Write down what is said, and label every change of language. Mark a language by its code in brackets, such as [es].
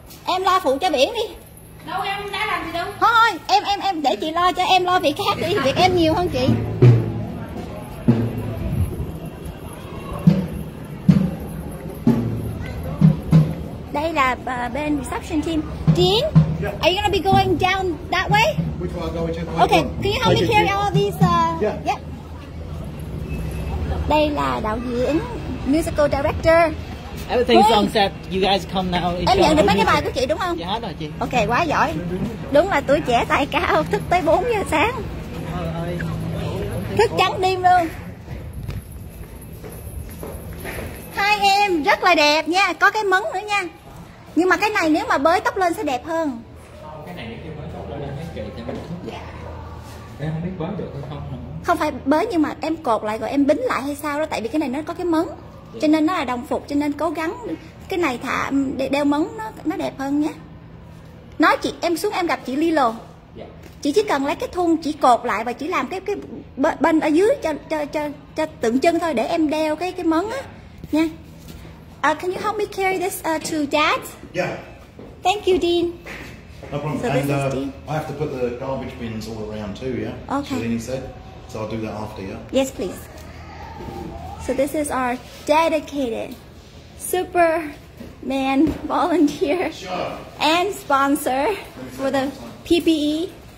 [vi] Em lo phụ cho biển đi. Đâu em đã làm gì đâu. Thôi, em để chị lo cho em lo việc khác đi, việc em nhiều hơn chị. Đây là bên reception team. [en] Dean, are you gonna be going down that way? Okay, can you help me carry all these? Yeah. [vi] Đây là đạo diễn, musical director. [en] Everything's on set. You guys come now. [vi] Em nhận được mấy cái bài của chị đúng không? Dạ rồi chị. Okay, quá giỏi. Đúng là tuổi trẻ tài cao, thức tới 4 giờ sáng. Thức trắng đêm luôn. Hai em rất là đẹp nha, có cái mấn nữa nha. Nhưng mà cái này nếu mà bới tóc lên sẽ đẹp hơn. Em không biết bới được hay không. Không phải bới nhưng mà em cột lại rồi em bính lại hay sao đó. Tại vì cái này nó có cái mấn, cho nên nó là đồng phục, cho nên cố gắng cái này thả đeo mấn nó đẹp hơn nhé. Nói chị, em xuống em gặp chị Lilo. Chị chỉ cần lấy cái thun chỉ cột lại và chỉ làm cái bên ở dưới cho tượng trưng thôi, để em đeo cái mấn á nha. [en] Can you help me carry this to Dad? Yeah. Thank you, Dean. No problem. So and I have to put the garbage bins all around too, yeah? Okay. Shalini said. So I'll do that after, yeah? Yes, please. So this is our dedicated Superman volunteer and sponsor for the PPE.